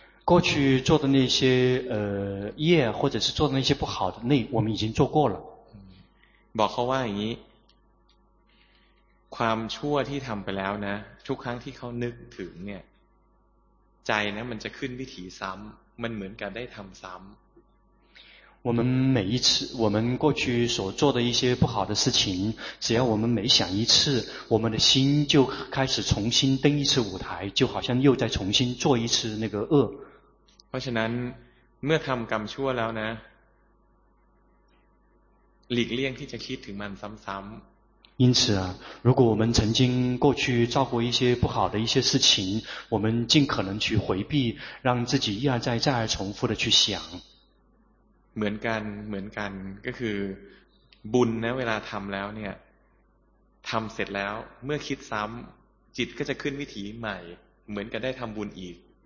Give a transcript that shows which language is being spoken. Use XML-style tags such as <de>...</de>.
<zh>过去做的那些业或者是做的那些不好的那我们已经做过了</zh> <th>บอกเขาว่าอย่างนี้ความชั่วที่ทำไปแล้วนะทุกครั้งที่เขานึกถึงเนี่ยใจนะมันจะขึ้นวิถีซ้ำมันเหมือนกับได้ทำซ้ำ</th> <zh>我们每一次我们过去所做的一些不好的事情只要我们每想一次我们的心就开始重新登一次舞台就好像又在重新做一次那个恶</zh> <th>เพราะฉะนั้นเมื่อทำกรรมชั่วแล้วนะหลีกเลี่ยงที่จะคิดถึงมันซ้ำ</th> <zh>ๆ因此啊如果我们曾经过去造过一些不好的一些事情我们尽可能去回避让自己一而再再而重复的去想</zh> <th>เหมือนกันก็คือบุญนะเวลาทำแล้วเนี่ยทำเสร็จแล้วเมื่อคิดซ้ำจิตก็จะขึ้นวิถีใหม่เหมือนกับได้ทำบุญอีก</th>